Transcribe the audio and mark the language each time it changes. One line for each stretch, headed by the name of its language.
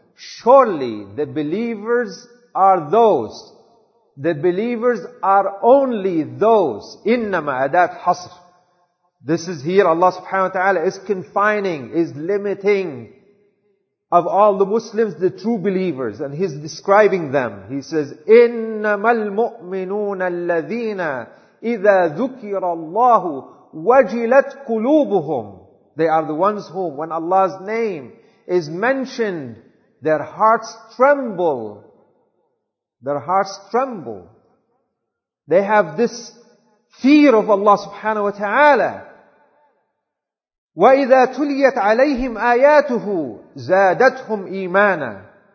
English: Surely the believers are those. The believers are only those.
Arabic: إِنَّمَا أَدَاتْ حَصْرِ.
English: This is here Allah subhanahu wa ta'ala is confining, is limiting of all the Muslims, the true believers. And He's describing them. He says,
Arabic: إِنَّمَا الْمُؤْمِنُونَ الَّذِينَ إِذَا ذُكِرَ اللَّهُ وَجِلَتْ قُلُوبُهُمْ.
English: They are the ones whom, when Allah's name is mentioned, their hearts tremble. Their hearts tremble. They have this fear of Allah subhanahu wa ta'ala.
Arabic: وَإِذَا تُلِيَتْ عَلَيْهِمْ آيَاتُهُ زَادَتْهُمْ إِيمَانًا.